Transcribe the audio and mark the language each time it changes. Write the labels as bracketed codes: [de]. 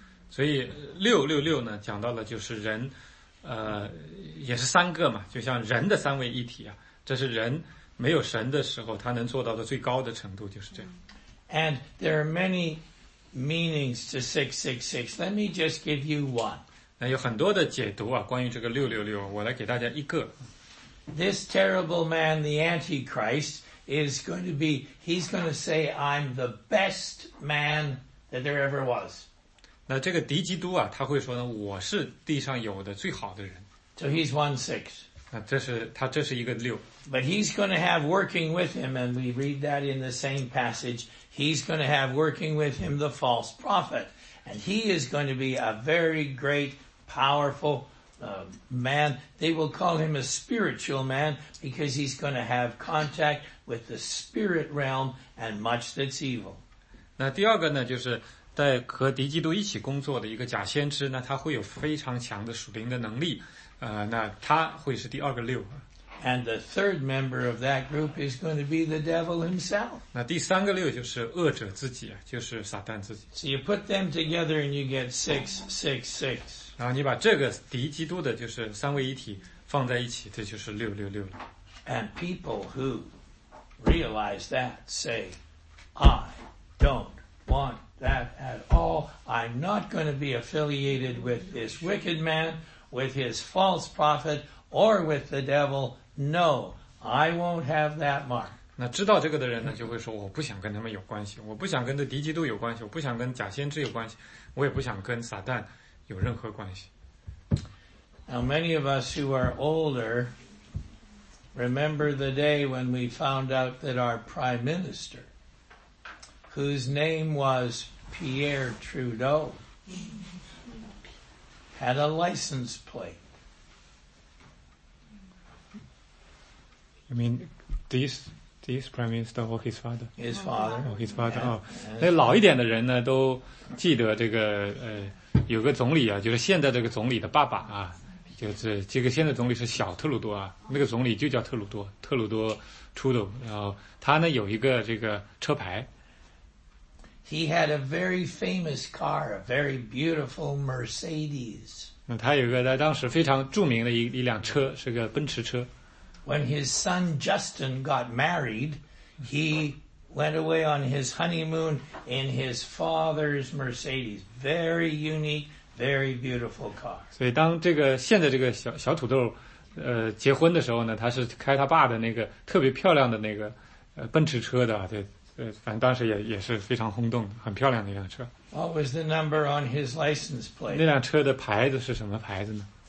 [zh] 所以666呢，讲到了就是人，也是三个嘛，就像人的三位一体啊，这是人没有神的时候他能做到的最高的程度，就是这样。 [en] And there are many. Meanings to 666. Let me just give you one. [zh] 那有很多的解读啊，关于这个666，我来给大家一个。 [en] This terrible man, the Antichrist, is going to be. He's going to say, "I'm the best man that there ever was." [zh] 那这个敌基督啊，他会说呢，我是地上有的最好的人。 [en] So he's 1-6. [zh] 那这是他，这是一个六。 [en] But he's going to have working with him, and we read that in the same passage. He's going to have working with him the false prophet. And he is going to be a very great, powerful, man. They will call him a spiritual man because he's going to have contact with the spirit realm and much that's evil. [zh] 那第二个呢，就是在和敌基督一起工作的一个假先知，那他会有非常强的属灵的能力，那他会是第二个六。 [en] And the third member of that group is going to be the devil himself. [zh] 那第三个六就是恶者自己，就是撒旦自己。 [en] So you put them together and you get 666. [zh] 然后你把这个敌基督的就是三位一体放在一起，这就是666了。 [en] And people who realize that say, I don't want that at all. I'm not going to be affiliated with this wicked man, with his false prophet,or with the devil, no, I won't have that mark. [zh] 那知道这个的人呢，就会说我不想跟他们有关系，我不想跟这敌基督有关系，我不想跟假先知有关系，我也不想跟撒旦有任何关系。 [en] Now many of us who are older remember the day when we found out that our prime minister, whose name was Pierre Trudeau, had a license plate I mean, this prime minister or his father? His father. Or his father. [zh] Yeah, 哦，那老一点的人呢，都记得这个有个总理啊，就是现在这个总理的爸爸啊，就是这个现在总理是小特鲁多啊，那个总理就叫特鲁多，特鲁多出的。然后他呢有一个这个车牌。 [en] He had a very famous car, a very beautiful Mercedes. [zh] 那他有一个在当时非常著名的一辆车，是个奔驰车。 [en] When his son Justin got married, he went away on his honeymoon in his father's Mercedes. Very unique, very beautiful car. [zh] 所以当这个现在这个小土豆，结婚的时候呢，他是开他爸的那个特别漂亮的那个奔驰车的，对，反正当时也是非常轰动，很漂亮的一辆车。 [en] What was the number on his license plate? [zh] 那辆车的牌子是什么牌子呢？